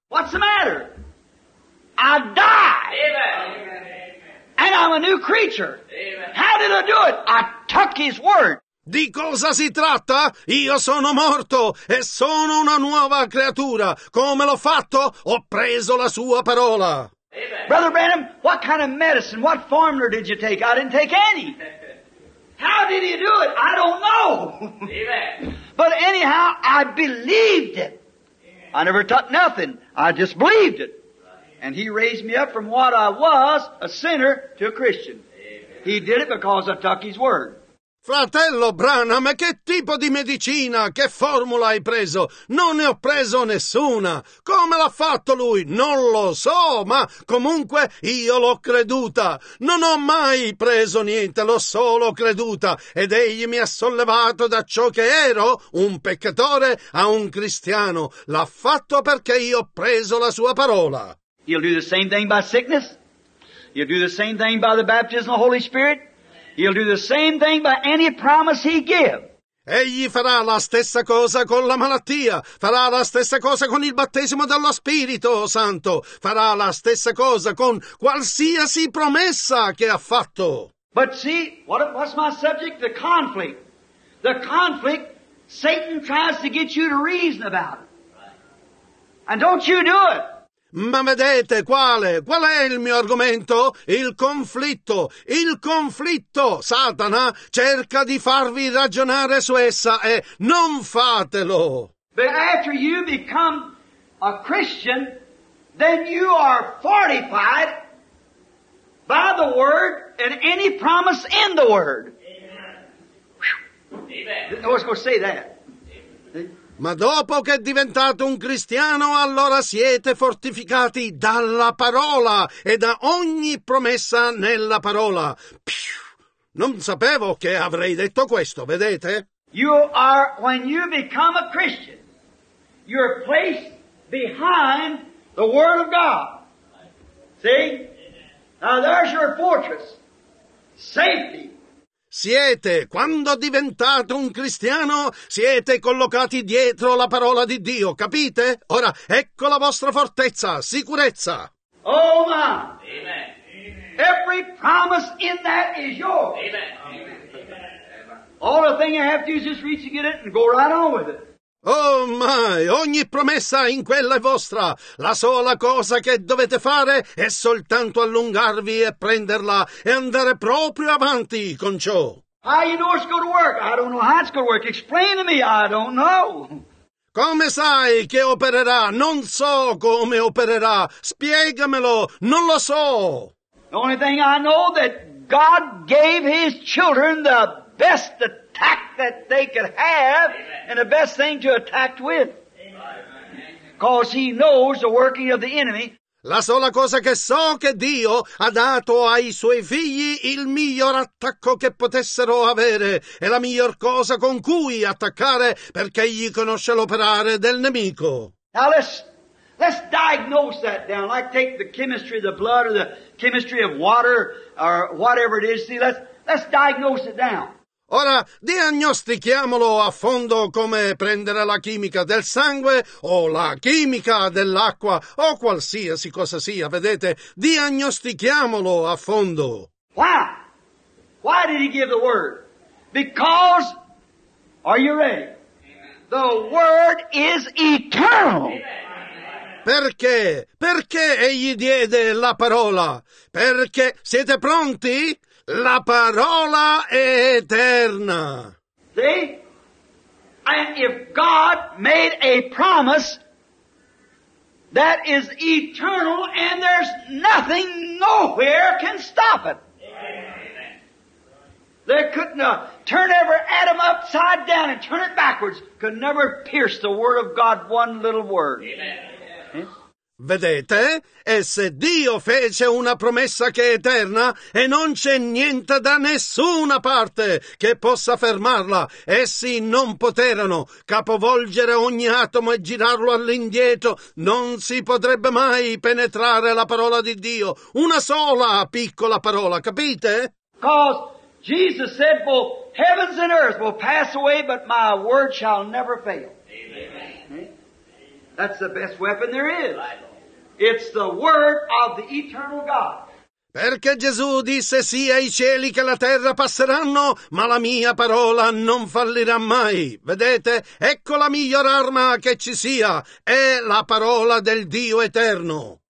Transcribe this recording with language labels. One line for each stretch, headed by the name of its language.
English: What's the matter? I die! Amen. And I'm a new creature! Amen. How did I do it? I took his word!
Italian: Di cosa si tratta? Io sono morto e sono una nuova creatura. Come l'ho fatto? Ho preso la sua parola.
English: Amen. Brother Branham, what kind of medicine, what formula did you take? I didn't take any. How did you do it? I don't know. Amen. But anyhow, I believed it. Amen. I never took nothing. I just believed it. And he raised me up from what I was, a sinner, to a Christian. Amen. He did it because I took his word.
Italian: Fratello Branham, che tipo di medicina, che formula hai preso? Non ne ho preso nessuna. Come l'ha fatto lui? Non lo so, ma comunque io l'ho creduta. Non ho mai preso niente, l'ho solo creduta. Ed egli mi ha sollevato da ciò che ero, un peccatore, a un cristiano. L'ha fatto perché io ho preso la sua parola.
English: You'll do the same thing by sickness? You'll do the same thing by the baptism of the Holy Spirit? He'll do the same thing by any promise he gives.
Italian: Egli farà la stessa cosa con la malattia, farà la stessa cosa con il battesimo dello Spirito Santo, farà la stessa cosa con qualsiasi promessa che ha fatto.
English: But see, what's my subject? The conflict. The conflict Satan tries to get you to reason about it. And don't you do it.
Italian: Ma vedete quale? Qual è il mio argomento? Il conflitto. Il conflitto. Satana cerca di farvi ragionare su essa e non fatelo.
English: But after you become a Christian, then you are fortified by the Word and any promise in the Word. Amen. No one's going to say that.
Italian: Ma dopo che è diventato un cristiano, allora siete fortificati dalla parola e da ogni promessa nella parola. Piu! Non sapevo che avrei detto questo, vedete?
English: You are, when you become a Christian, you're placed behind the Word of God. See? Now there's your fortress. Safety.
Italian: Siete, quando diventate un cristiano, siete collocati dietro la parola di Dio, capite? Ora, ecco la vostra fortezza, sicurezza.
English: Oh, my. Amen. Every promise in that is yours. Amen. Amen. All the thing you have to do is just reach and get it and go right on with it. Oh my,
Italian: ogni promessa in quella è vostra. La sola cosa che dovete fare è soltanto allungarvi e prenderla e andare proprio avanti con ciò.
English: How you know it's gonna work? I don't know how it's gonna work. Explain to me, I don't know.
Italian: Come sai che opererà? Non so come opererà. Spiegamelo, non lo so.
English: The only thing I know that God gave his children the best attack that they could have. Amen. And the best thing to attack with. Amen. Because he knows the working of the enemy.
Italian: La sola cosa che so è che Dio ha dato ai suoi figli il miglior attacco che potessero avere e la miglior cosa con cui attaccare, perché egli conosce l'operare del nemico.
English: Now let's diagnose that down. Like take the chemistry of the blood or the chemistry of water or whatever it is. See, let's diagnose it down.
Italian: Ora, diagnostichiamolo a fondo come prendere la chimica del sangue o la chimica dell'acqua o qualsiasi cosa sia, vedete? Diagnostichiamolo a fondo.
English: Why? Why did he give the word? Because, are you ready? The word is eternal.
Italian: Perché? Perché egli diede la parola? Perché? Siete pronti? La parola è eterna.
English: See? And if God made a promise that is eternal and there's nothing nowhere can stop it. They couldn't turn every atom upside down and turn it backwards. Could never pierce the word of God one little word. Amen. Hmm?
Italian: Vedete? E se Dio fece una promessa che è eterna e non c'è niente da nessuna parte che possa fermarla, essi non poterono capovolgere ogni atomo e girarlo all'indietro, non si potrebbe mai penetrare la parola di Dio, una sola piccola parola, capite?
English: Because Jesus said, well, heavens and earth will pass away, but my word shall never fail. That's the best weapon there is. It's the word of the eternal God.
Italian: Perché Gesù disse sia i cieli che la terra passeranno, ma la mia parola non fallirà mai. Vedete? Ecco la miglior arma che ci sia. È la parola del Dio eterno.